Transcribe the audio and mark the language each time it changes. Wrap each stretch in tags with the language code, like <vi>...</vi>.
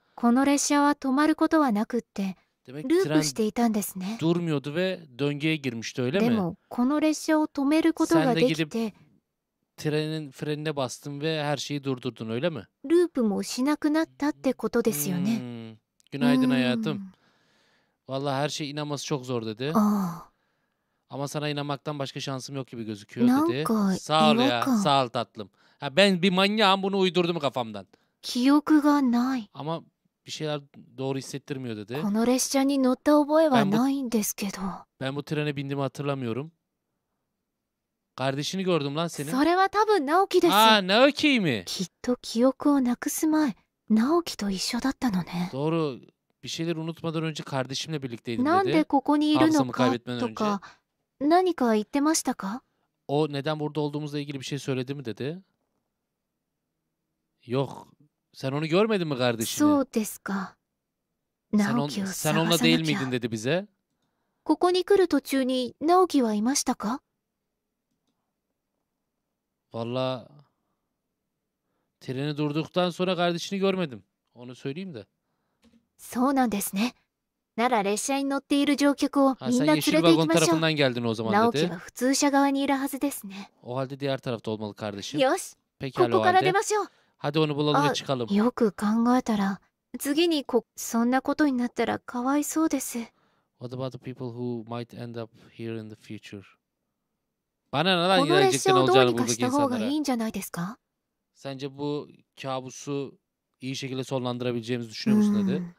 <ja>この列車は 止まることはなくって ループしていたんですね.</ja> <tr>Durmuyordu ve döngüye girmişti öyle</tr> <ja>でも,</ja> <tr>mi?</tr> <ja>でもこの列車を止めることができて</ja> <tr>Sen de gidip trenin frenine bastın ve her şeyi durdurdun öyle mi?</tr> <ja>ループもしなくなったってことですよね.</ja> <tr>Günaydın hayatım. Vallahi her şey inanması çok zor dedi. Ama sana inanmaktan başka şansım yok gibi gözüküyor dedi. Sağ ol ya, sağ ol tatlım. Ha, ben bir manyağım bunu uydurdum kafamdan.</tr> <ja>]記憶がない.</ja> <tr>Ama bir şeyler doğru hissettirmiyor dedi.</tr> <ja>この列車に乗った覚えはないんですけど.</ja> <tr>Ben bu trene bindiğimi hatırlamıyorum. Kardeşini gördüm lan senin.</tr> <ja>それは多分直樹です.</ja> <tr>Aa, Naoki mi?</tr> <ja>きっと記憶をなくす前、直樹と一緒だったのね.</ja> <tr>Doğru. Bir şeyler unutmadan önce kardeşimle birlikteydim dedi.</tr> <ja>なんでここにいるのかとか ?何か言ってましたか?</ja> <tr>O neden burada olduğumuzla ilgili bir şey söyledi mi dedi? Yok. Sen onu görmedin mi kardeşini?</tr> <ja>そうですか.</ja> <tr>Sen onunla değil miydin dedi bize?</tr> <ja>ここに来る途中にナオキはいましたか?</ja> <tr>Vallahi treni durduktan sonra kardeşini görmedim. Onu söyleyeyim de.</tr> <ja>そうなんですね. なら列車に乗っている乗客をみんな連れて行きましょう。ナオキは普通車側にいるはずですね.</ja> <tr>O halde diğer tarafta olmalı kardeşim.</tr> <ja>よし! ここから出ましょう!</ja> <tr>Hadi onu bulalım ve çıkalım.</tr> <ja>よく考えたら、次にそんなことになったらかわいそうです.</ja> <en>What about the people who might end up here in the future?</en> <tr>Bana ne lan gerçekten olacağını buradaki insanlara? Sence bu kabusu iyi şekilde sonlandırabileceğimizi düşünüyor musun dedi?</tr>